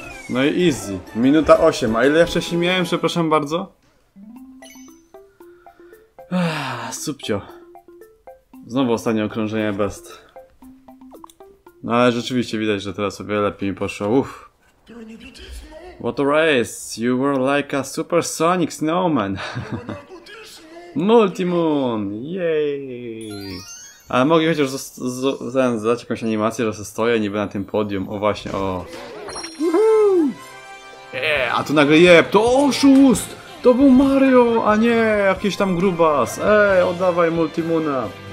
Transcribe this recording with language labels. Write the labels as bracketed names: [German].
[Polish] No i easy. Minuta 8. A ile ja wcześniej miałem, przepraszam bardzo? Subcio. Znowu ostatnie okrążenie best. No ale rzeczywiście widać, że teraz o wiele lepiej mi poszło. [English] Uff. What a race! You were like a supersonic snowman! Multimoon! Yay! [Polish] Ale mogę chociaż zdać jakąś animację, że stoję niby na tym podium. O właśnie, o! Yeah, a tu nagle jeb! To oszust! To był Mario, a nie jakiś tam grubas! Ej, oddawaj Multimoona!